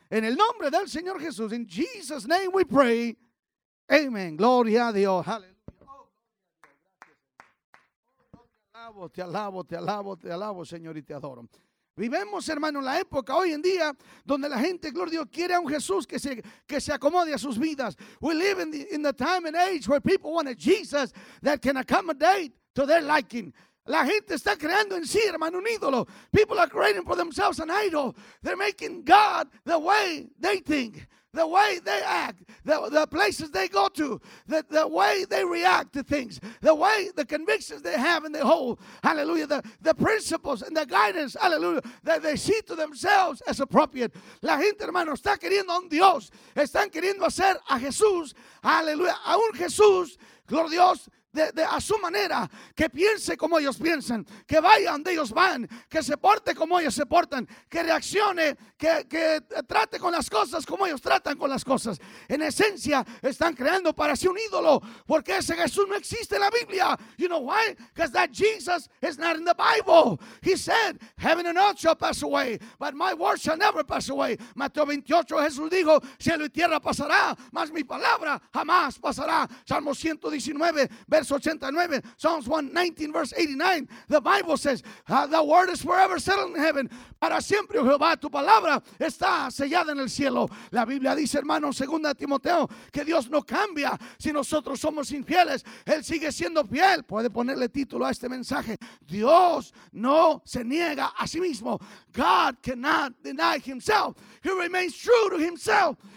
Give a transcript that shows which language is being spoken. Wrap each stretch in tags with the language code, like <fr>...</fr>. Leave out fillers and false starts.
<es>En el nombre del Señor Jesús,</es> <en>in Jesus' name we pray.</en> <es>Amen. Gloria a Dios. Aleluya. Te alabo, Señor, y te adoro. Vivemos, hermano, la época hoy en día donde la gente, gloria a Dios, quiere a un Jesús que se acomode a sus vidas.</es> <en>We live in the time and age where people want a Jesus that can accommodate to their liking.</en> <es>La gente está creando en sí, hermano, un ídolo.</es> <en>People are creating for themselves an idol. They're making God the way they think, the way they act, the places they go to, the way they react to things, the way the convictions they have and they hold, hallelujah, the principles and the guidance, hallelujah, that they see to themselves as appropriate.</en> <es>La gente, hermano, está queriendo a un Dios. Están queriendo hacer a Jesús, hallelujah, a un Jesús, gloria a Dios, de a su manera, que piense como ellos piensan, que vaya donde ellos van, que se porte como ellos se portan, que reaccione, que trate con las cosas como ellos tratan con las cosas. En esencia, están creando para sí un ídolo, porque ese Jesús no existe en la Biblia.</es> <en>You know why? Because that Jesus is not in the Bible. He said, heaven and earth shall pass away, but my word shall never pass away.</en> <es>Mateo 28, Jesús dijo, cielo y tierra pasará, mas mi palabra jamás pasará.</es> <en>Salmo 119, verse 89, Psalms 119, verse 89, the Bible says, the word is forever settled in heaven.</en> <es>Para siempre, Jehová, tu palabra está sellada en el cielo. La Biblia dice, hermano, 2 Timoteo, que Dios no cambia si nosotros somos infieles. Él sigue siendo fiel. Puede ponerle título a este mensaje. Dios no se niega a sí mismo.</es> <en>God cannot deny himself. He remains true to himself.</en>